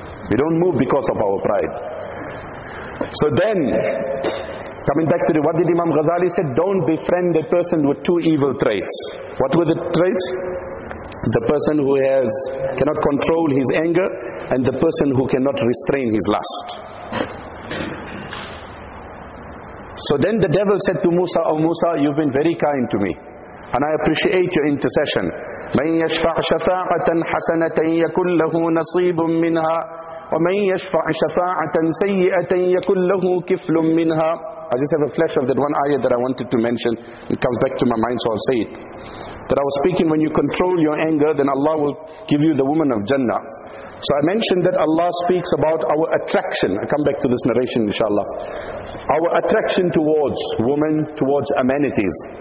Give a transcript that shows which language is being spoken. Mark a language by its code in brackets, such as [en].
[en] We don't move because of our pride. So then, coming back to what did Imam Ghazali said, don't befriend a person with two evil traits. What were the traits? The person who cannot control his anger, and the person who cannot restrain his lust. So then the devil said to Musa, "Oh Musa, you've been very kind to me, and I appreciate your intercession. [ar] مَنْ يَشْفَعْ شَفَاعَةً حَسَنَةً يَكُنْ لَهُ نَصِيبٌ مِّنْهَا وَمَنْ يَشْفَعْ شَفَاعَةً سَيِّئَةً يَكُنْ لَهُ كِفْلٌ مِّنْهَا [en] I just have a flash of that one ayah that I wanted to mention. It comes back to my mind, so I'll say it. That I was speaking, when you control your anger, then Allah will give you the woman of Jannah. So I mentioned that Allah speaks about our attraction. I come back to this narration, inshallah. Our attraction towards women, towards amenities.